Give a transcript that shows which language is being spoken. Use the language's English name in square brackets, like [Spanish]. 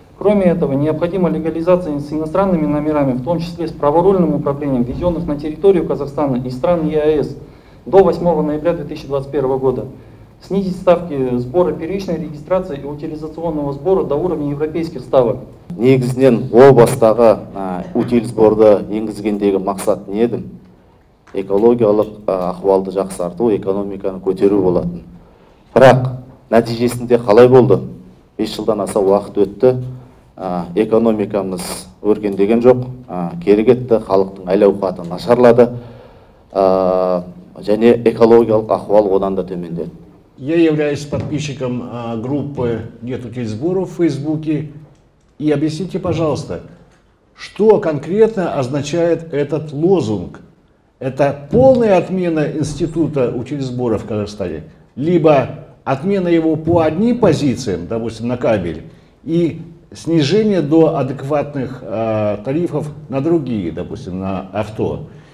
[Russian] Кроме этого, необходима легализация с иностранными номерами, в том числе с праворульным управлением, ввезенных на территорию Казахстана и стран ЕАЭС. До 8 ноября 2021 года снизить ставки сбора первичной регистрации и утилизационного сбора до уровня европейских ставок. [Kazakh] Негізінен ол бастағы утилизборды енгізгендегі мақсат не еді? Экологиялық ахуалды жақсарту, экономиканы көтеру болатын. Бірақ нәтижесінде қалай болды? 5 жылдан аса уақыт өтті, экономикамыз өркендеген жоқ, керігетті, халықтың әл-ауқаты нашарлады, және экологиялық ахуал одан да төмендеді. [Russian] Я являюсь подписчиком группы «Нет утильсборов» в Фейсбуке. И объясните, пожалуйста, что конкретно означает этот лозунг? Это полная отмена института утильсборов в Казахстане? Либо отмена его по одним позициям, допустим, на кабель, и снижение до адекватных тарифов на другие, допустим, на авто?